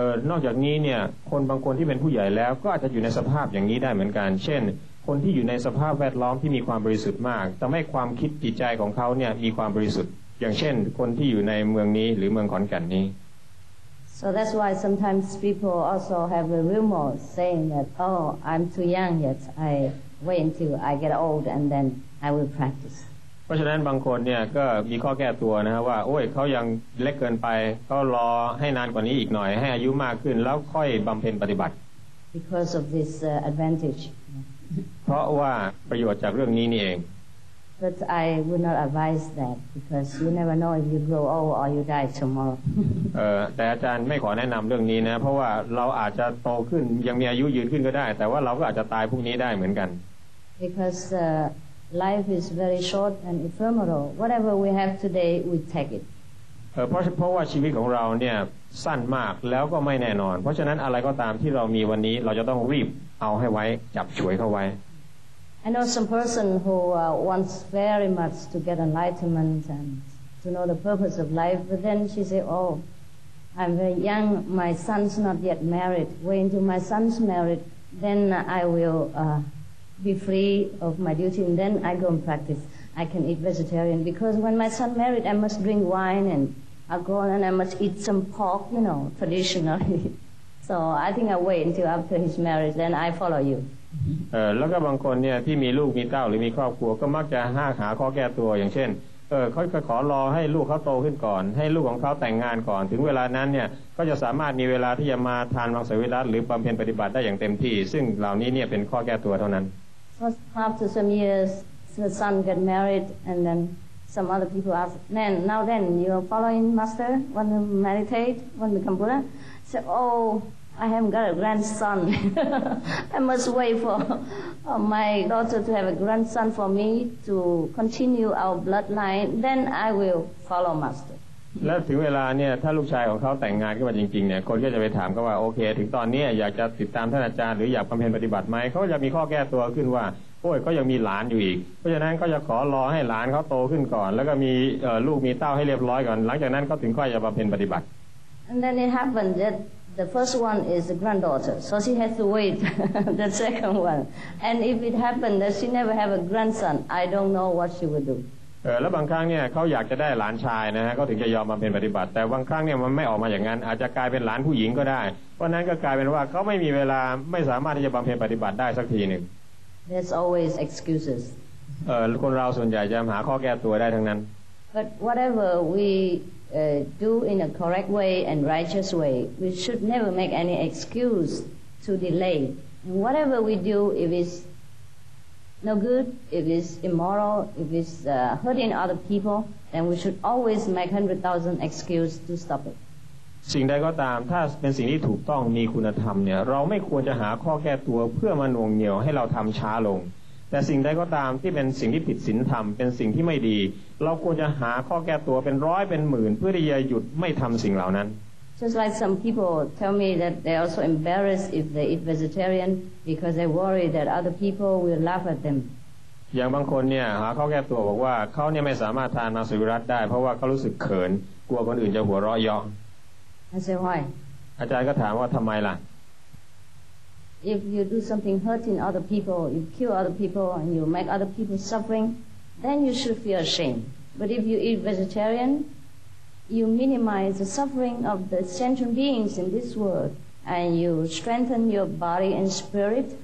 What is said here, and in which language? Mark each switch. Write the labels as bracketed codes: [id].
[th] นอกจากนี้เนี่ยคนบางคนที่เป็นผู้ใหญ่แล้วก็อาจจะอยู่ในสภาพอย่างนี้ได้เหมือนกันเช่นคนที่อยู่ในสภาพแวดล้อมที่มีความบริสุทธิ์มากทำให้ความคิดจิตใจของเขาเนี่ยมีความบริสุทธิ์อย่างเช่นคนที่อยู่ในเมืองนี้หรือเมืองขอนแก่นนี้ [en] so that's why sometimes people also have a rumor saying that oh I'm too young yet I wait until I get old and thenI will practice. [th] เพราะฉะนั้นบางคนเนี่ยก็มีข้อแก้ตัวนะฮะว่าโอ้ยเขายังเล็กเกินไปก็รอให้นานกว่านี้อีกหน่อยให้อายุมากขึ้นแล้วค่อยบำเพ็ญปฏิบัติ [en] Because of this advantage. [th] เพราะว่าประโยชน์จากเรื่องนี้นี่เอง [en] But I would not advise that because you never know if you grow old or you die tomorrow. [th] แต่อาจารย์ไม่ขอแนะนำเรื่องนี้นะเพราะว่าเราอาจจะโตขึ้นยังมีอายุยืนขึ้นก็ได้แต่ว่าเราก็อาจจะตายพรุ่งนี้ได้เหมือนกัน [en] Because Life is very short and ephemeral. Whatever we have today, we take it. [th] เพราะว่าชีวิตของเราเนี่ยสั้นมากแล้วก็ไม่แน่นอนเพราะฉะนั้นอะไรก็ตามที่เรามีวันนี้เราจะต้องรีบเอาให้ไว้จับฉวยเข้าไว้ [en] I know some person who wants very much to get enlightenment and to know the purpose of life, but then she say, "Oh, I'm very young. My son's not yet married. Wait until my son's married, then I will." Be free of my duty, and then I go and practice. I can eat vegetarian because when my son married, I must drink wine and alcohol, and I must eat some pork, you know, traditionally. So I think I wait until after his marriage, then I follow you. [th] แล้วก็บางคนเนี่ยที่มีลูกมีเต้าหรือมีครอบครัวก็มักจะห้าหาข้อแก้ตัวอย่างเช่น ขอรอให้ลูกเขาโตขึ้นก่อนให้ลูกของเขาแต่งงานก่อนถึงเวลานั้นเนี่ยก็จะสามารถมีเวลาที่จะมาทานมังสวิรัติหรือบำเพ็ญปฏิบัติได้อย่างเต็มที่ซึ่งเหล่านี้เนี่ยเป็นข้อแก้ตัวเท่านั้น [en] After some years the son got married and then some other people ask then now then you are following master want to meditate want to become Buddha say oh I haven't got a grandson I must wait for my daughter to have a grandson for me to continue our bloodline then I will follow master [th] แล้วถึงเวลาเนี่ยถ้าลูกชายของเขาแต่งงานขึ้นมาจริงๆเนี่ยคนก็จะไปถามก็ว่าโอเคถึงตอนนี้อยากจะติดตามท่านอาจารย์หรืออยากบำเพ็ญปฏิบัติไหมเขาจะมีข้อแก้ตัวขึ้นว่าโอ้ยก็ยังมีหลานอยู่อีกเพราะฉะนั้นก็จะขอรอให้หลานเขาโตขึ้นก่อนแล้วก็มีลูกมีเต้าให้เรียบร้อยก่อนหลังจากนั้นก็ถึงค่อยจะบำเพ็ญปฏิบัติ [en] And then it happened that the first one is the granddaughter so she has to wait the second one and if it happened that she never have a grandson I don't know what she would do [th] แล้วบางครั้งเนี่ยเขาอยากจะได้หลานชายนะฮะก็ถึงจะยอมมาเป็นปฏิบัติแต่บางครั้งเนี่ยมันไม่ออกมาอย่างนั้นอาจจะกลายเป็นหลานผู้หญิงก็ได้เพราะนั้นก็กลายเป็นว่าเขาไม่มีเวลาไม่สามารถที่จะบำเพ็ญปฏิบัติได้สักทีหนึ่ง [en] There's always excuses [th] คนเราส่วนใหญ่จะหาข้อแก้ตัวได้ทั้งนั้น [en] But whatever we do in a correct way and righteous way we should never make any excuse to delay and whatever we do if it'sNo good. If it's immoral, if it's hurting other people, then we should always make 100,000 excuses to stop it. [th] สิ่งใดก็ตามถ้าเป็นสิ่งที่ถูกต้องมีคุณธรรมเนี่ยเราไม่ควรจะหาข้อแก้ตัวเพื่อมาหน่วงเหนี่ยวให้เราทำช้าลงแต่สิ่งใดก็ตามที่เป็นสิ่งที่ผิดศีลธรรมเป็นสิ่งที่ไม่ดีเราควรจะหาข้อแก้ตัวเป็นร้อยเป็นหมื่นเพื่อที่จะหยุดไม่ทำสิ่งเหล่านั้น [en] Just like some people tell me that they're also embarrassed if they eat vegetarian because they worry that other people will laugh at them. [th] อย่างบางคนเนี่ยหาข้อแก้ตัวบอกว่าเขาเนี่ยไม่สามารถทานมังสวิรัติได้เพราะว่าเขารู้สึกเขินกลัวคนอื่นจะหัวเราะเยาะ [en] I say why? [th] อาจารย์ก็ถามว่าทำไมล่ะ [en] If you do something hurting other people, you kill other people, and you make other people suffering, then you should feel ashamed. But if you eat vegetarian,You minimize the suffering of the sentient beings in this world, and you strengthen your body and spirit.